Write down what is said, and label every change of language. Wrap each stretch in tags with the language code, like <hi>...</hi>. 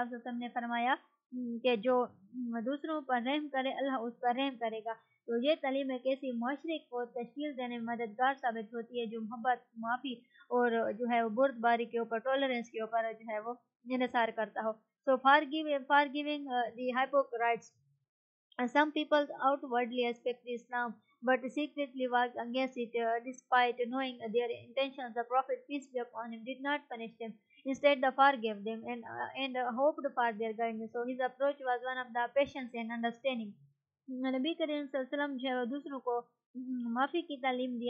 <ur>آپ صلی اللہ علیہ وسلم نے فرمایا کہ جو دوسروں پر رحم کرے اللہ اس پر رحم کرے گا. تو یہ تعلیم ایک ایسی معاشرے کو تشکیل دینے میں مددگار ثابت ہوتی ہے جو محبت, معافی اور جو ہے وہ بردباری کے اوپر, ٹولرنس کے اوپر جو ہے وہ انحصار کرتا ہو.</ur> <en>So forgiving the hypocrites. Some people outwardly respect Islam but secretly work against it despite knowing their intentions. The Prophet peace be upon him did not punish them, instead the forgave them and hoped for their guidance. So his approach was one of the patience and understanding.</en> <ur>نبی کریم صلی اللہ علیہ وسلم جو ہے وہ دوسروں کو معافی کی تعلیم دی.</ur>